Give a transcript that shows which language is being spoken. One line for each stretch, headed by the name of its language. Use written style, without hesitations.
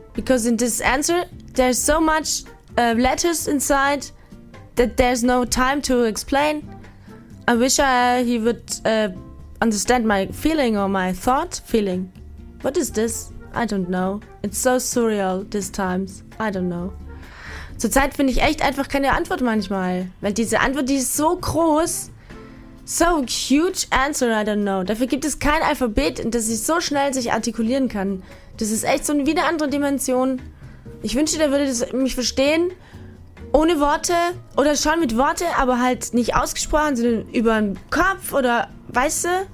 English: Because in this answer, there's so much letters inside that there's no time to explain. I wish he would understand my feeling or my thought feeling. What is this? I don't know. It's so surreal this time. I don't know.
German: Zurzeit finde ich echt einfach keine Antwort manchmal. Weil diese Antwort, die ist so groß,
English: So huge answer, I don't know.
German: Dafür gibt es kein Alphabet, das sich so schnell sich artikulieren kann. Das ist echt so eine wieder andere Dimension. Ich wünschte, der würde mich verstehen. Ohne Worte oder schon mit Worte, aber halt nicht ausgesprochen, sondern über den Kopf oder weißt du?